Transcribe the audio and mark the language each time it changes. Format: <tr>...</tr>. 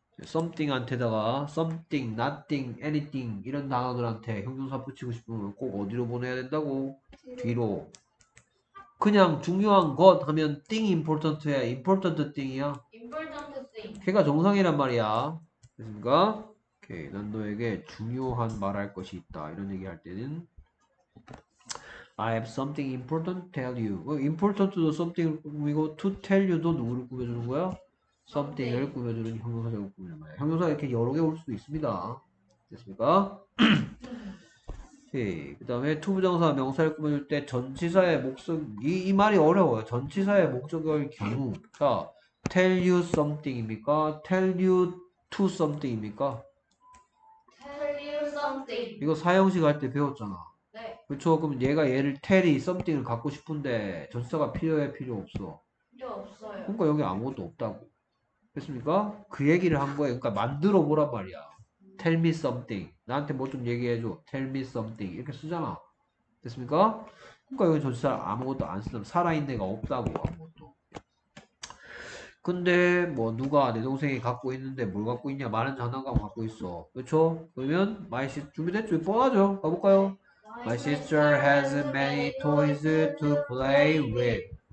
<ko>something한테다가 something, nothing, anything 이런 단어들한테 형용사 붙이고 싶으면 꼭 어디로 보내야 된다고? 뒤로. 그냥 중요한 것 하면 thing important야. important thing이야.</ko> <en>Important thing.</en> <ko>걔가 정상이란 말이야. 됐습니까? 오케이. 난 너에게 중요한 말할 것이 있다. 이런 얘기할 때는</ko> <en>I have something important to tell you. important to do something을 꾸미고 to tell you도</en> <ko>누구를 꾸며주는 거야?</ko> <en>something을 Something.</en> <ko>꾸며주는 형용사적으로 꾸미는 거야. 형용사가 이렇게 여러 개올 수도 있습니다. 됐습니까? 오케이. 그 다음에 to 부정사 명사를 꾸며줄 때 전치사의 목적 이 말이 어려워요. 전치사의 목적을 경우 자, tell you something입니까?</ko> <en>tell you to something입니까? Something.</en> <ko>이거 사형식 할때 배웠잖아. 그쵸? 그럼 얘가 얘를 텔이 썸띵을 갖고 싶은데 전치사가 필요해? 필요 없어? 필요 없어요. 그러니까 여기 아무것도 없다고. 됐습니까? 그 얘기를 한 거예요. 그러니까 만들어 보란 말이야.</ko> <en>Tell me something.</en> <ko>나한테 뭐좀 얘기해줘. Tell me something. 이렇게 쓰잖아. 됐습니까? 그러니까 여기 전치사 아무것도 안 쓰는 살아있는 애가 없다고. 근데 뭐 누가 내 동생이 갖고 있는데 뭘 갖고 있냐? 많은 장난감 갖고 있어. 그렇죠? 그러면 my sister 준비됐죠? 뻔하죠? 가볼까요?</ko> <en>My sister has many toys to play with.</en>